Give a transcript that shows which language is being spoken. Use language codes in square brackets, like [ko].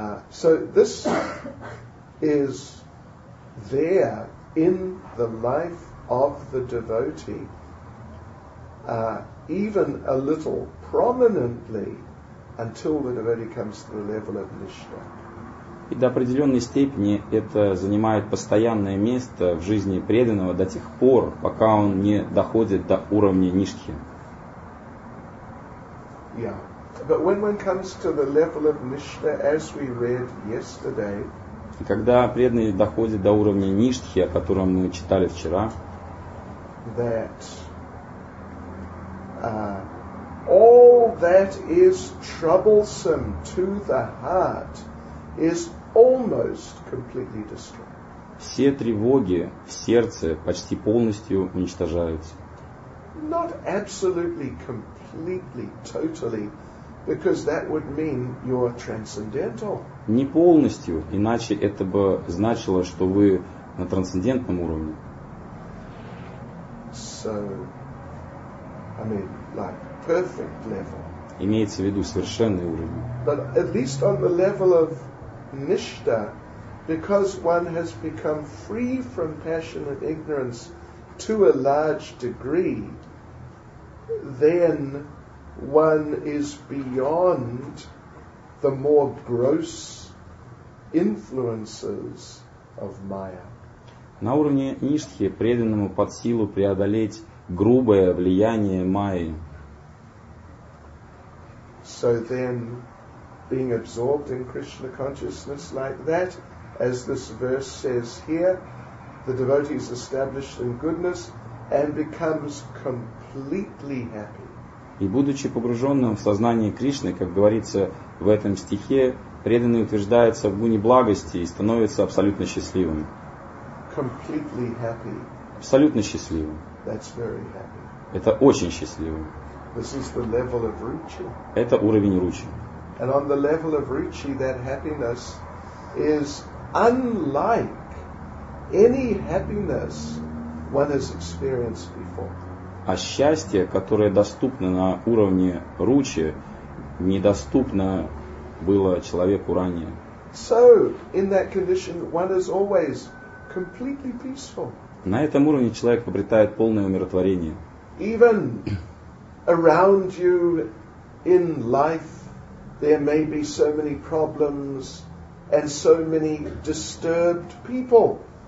[en] So this is there in the life of the devotee, even a little prominently, until the devotee comes to the level of nishtha. [ru] И до определенной степени это занимает постоянное место в жизни преданного до тех пор, пока он не доходит до уровня нишхи. [en] But when one comes to the level of Nishtha, as we read yesterday, [ru] и когда преданный доходит до уровня ништхи, о котором мы читали вчера, [en] that all that is troublesome to the heart is almost completely destroyed. [ru] Все тревоги в сердце почти полностью уничтожаются. [en] Not absolutely, completely, totally. Because that would mean you're transcendental. [ru] Не полностью, иначе это бы значило, что вы на трансцендентном уровне. [en] So, I mean, like perfect level. [ru] Имеется в виду совершенный уровень. [en] But at least on the level of nishta, because one has become free from passion and ignorance to a large degree, then one is beyond the more gross influences of Maya. [ru] На уровне ништхи преданному под силу преодолеть грубое влияние Майи. [en] So then, being absorbed in Krishna consciousness like that, as this verse says here, the devotee is established in goodness and becomes completely happy. [ru] И будучи погруженным в сознание Кришны, как говорится в этом стихе, преданный утверждается в гуне благости и становится абсолютно счастливым. [en] Completely happy. [ru] Абсолютно счастливым. [en] That's very happy. [ru] Это очень счастливым. [en] This is the level of Ruchi. [ru] Это уровень Ручи. [en] And on the level of Ruchi, that happiness is unlike any happiness one has experienced before. [ru] А счастье, которое доступно на уровне Ручи, недоступно было человеку ранее. [en] So, in that condition, one is always completely peaceful. [ru] На этом уровне человек обретает полное умиротворение. [en] Even around you in life there may be so many problems and so many disturbed people.